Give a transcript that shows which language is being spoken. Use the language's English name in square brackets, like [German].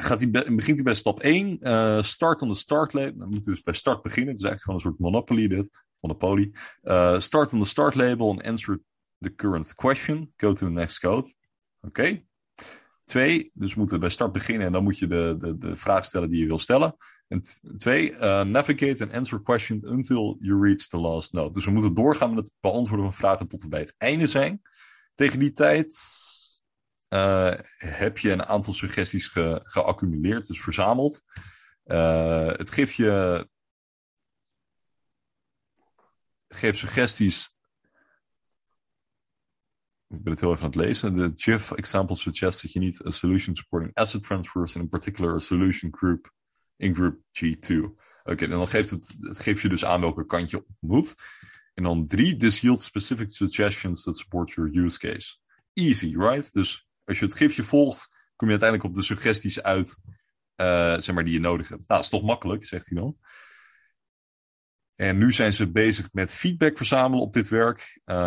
[Dutch] Begint hij bij stap 1, [English] start on the start label, [Dutch] dan moet hij dus bij start beginnen, het is eigenlijk gewoon een soort monopoly. [English] Start on the start label and answer the current question, go to the next code. [Dutch] Oké. Twee, dus we moeten bij start beginnen en dan moet je de vraag stellen die je wil stellen. En twee, [English] navigate and answer questions until you reach the last node. [Dutch] Dus we moeten doorgaan met het beantwoorden van vragen tot we bij het einde zijn. Tegen die tijd heb je een aantal suggesties geaccumuleerd, dus verzameld. Het geeft suggesties... Ik ben het heel even aan het lezen. [English] The GIF example suggests that you need a solution supporting asset transfers in a particular solution group in group G2. [Dutch] Oké, en dan geeft je dus aan welke kant je op moet. En dan drie, [English] this yields specific suggestions that support your use case. Easy, right? [Dutch] Dus als je het gifje volgt, kom je uiteindelijk op de suggesties uit die je nodig hebt. Nou, is toch makkelijk, zegt hij dan. En nu zijn ze bezig met feedback verzamelen op dit werk.